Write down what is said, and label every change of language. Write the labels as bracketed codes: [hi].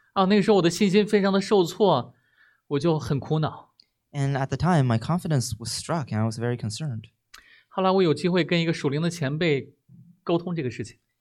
[zh] 啊，那个时候我的信心非常的受挫，我就很苦恼。 [en] And at the time, my confidence was struck, and I was very concerned. [zh] 后来我有机会跟一个属灵的前辈沟通这个事情。